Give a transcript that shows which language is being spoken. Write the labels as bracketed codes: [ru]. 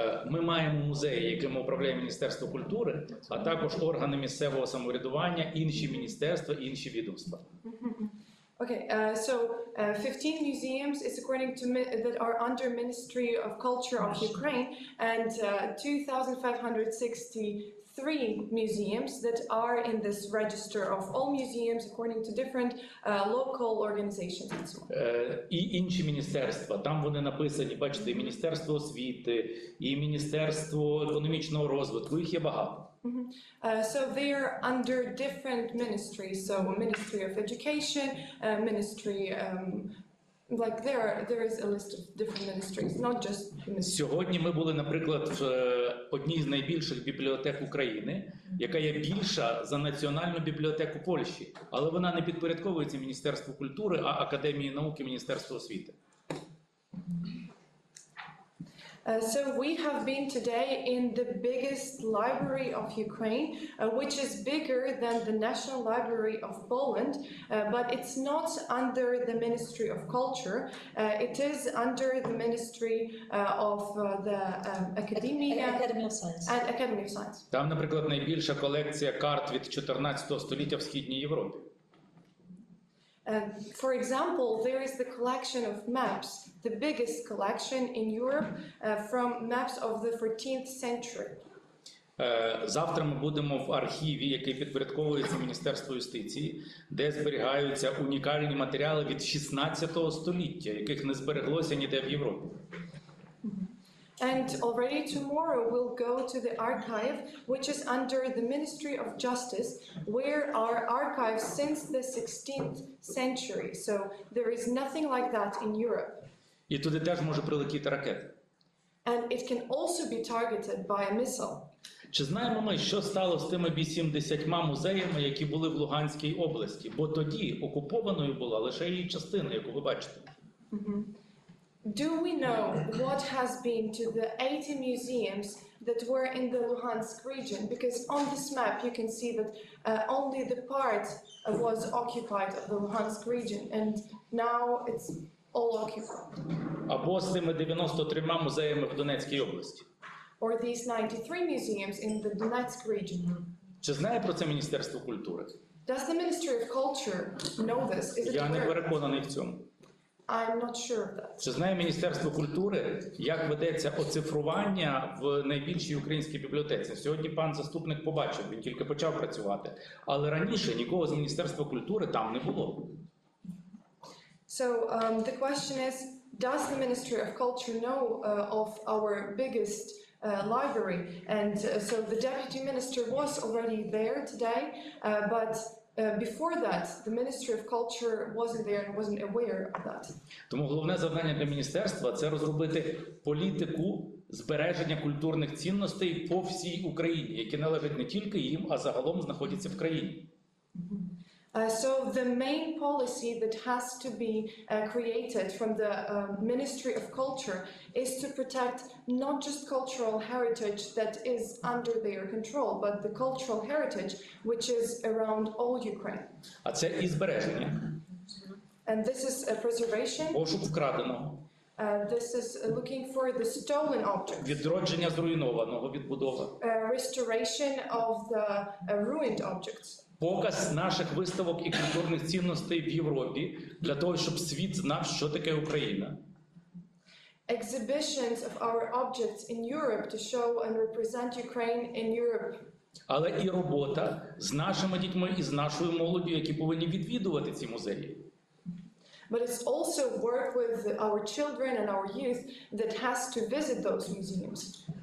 [uk] Ми маємо музеї, яким управляє Міністерство культури, а також органи місцевого самоврядування, інші міністерства, інші відомства. [en] Okay, so 15 museums is according to that are under Ministry of Culture of Ukraine, and 2,563 museums that are in this register of all museums according to different local organizations. [uk] І інші міністерства, там вони написані, бачите, і Міністерство освіти, і Міністерство економічного розвитку, їх є багато. [en] So they are under different ministries, so Ministry of Education, Ministry Like there is a list of different ministries, not just ministries. [uk] Сьогодні ми були, наприклад, в одній з найбільших бібліотек України, яка є більша за національну бібліотеку Польщі, але вона не підпорядковується Міністерству культури, а Академії науки Міністерства освіти. [en] So we have been today in the biggest library of Ukraine, which is bigger than the National Library of Poland, but it's not under the Ministry of Culture, it is under the Ministry of the Academy of Science. And Academy of Science. [uk] Там, наприклад, найбільша колекція карт від 14 століття в Східній Європі. [en] For example, there is the collection of maps, the biggest collection in Europe, from maps of the 14th century. [uk] Завтра ми будемо в архіві, який підпорядковується Міністерству юстиції, де зберігаються унікальні матеріали від 16 століття, яких не збереглося ніде в Європі. [en] And already tomorrow we'll go to the archive, which is under the Ministry of Justice, where are archives since the 16th century. So there is nothing like that in Europe. [uk] І туди теж може прилетіти ракета. [en] And it can also be targeted by a missile. [uk] Чи знаємо ми, що стало з тими 80 музеями, які були в Луганській області? Бо тоді окупованою була лише її частина, яку ви бачите. [en] Do we know what has been to the 80 museums that were in the Luhansk region? Because on this map you can see that only the part was occupied of the Luhansk region, and now it's all occupied. [uk] Або з цими 93 музеями в Донецькій області. [en] Or these 93 museums in the Donetsk region. [uk] Чи знає про це Міністерство культури? [en] Does the Ministry of Culture know this? Is it [uk] Я не переконаний в цьому. [en] I'm not sure of that. [uk] Чи знає Міністерство культури, як ведеться оцифрування в найбільшій українській бібліотеці? Сьогодні пан заступник побачив, він тільки почав працювати. Але раніше нікого з Міністерства культури там не було. [en] So, the question is, does the Ministry of Culture know of our biggest library? And so the Deputy Minister was already there today, but before that, the Ministry of Culture wasn't there and wasn't aware of that. [uk] Тому головне завдання для міністерства – це розробити політику збереження культурних цінностей по всій Україні, які належать не тільки їм, а загалом знаходяться в країні. [en] So the main policy that has to be created from the Ministry of Culture is to protect not just cultural heritage that is under their control, but the cultural heritage which is around all Ukraine. [uk] А це і збереження. [en] And this is a preservation. [uk] Пошук вкраденого. [en] This is looking for the stolen objects. [uk] Відродження зруйнованого, відбудова. [en] Restoration of the ruined objects. [uk] Показ наших виставок і культурних цінностей в Європі для того, щоб світ знав, що таке Україна. [en] Exhibitions of our objects in Europe to show and represent Ukraine in Europe. [uk] Але і робота з нашими дітьми і з нашою молоддю, які повинні відвідувати ці музеї. [en] But it's also work with our children and our youth that has to visit those museums.